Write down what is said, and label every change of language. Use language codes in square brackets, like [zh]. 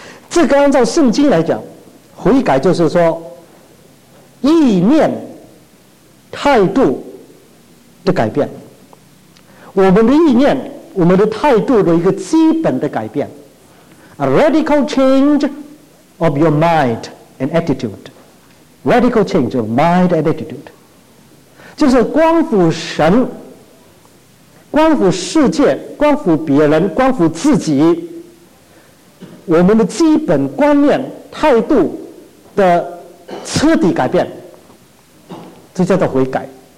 [zh] 这个按照圣经来讲，悔改就是说意念态度的改变，我们的意念，我们的态度的一个基本的改变， [en] A radical change of your mind and attitude. Radical change of mind and attitude. [zh] 就是关乎神，关乎世界，关乎别人，关乎自己，我们的基本观念态度的彻底改变，这叫做悔改。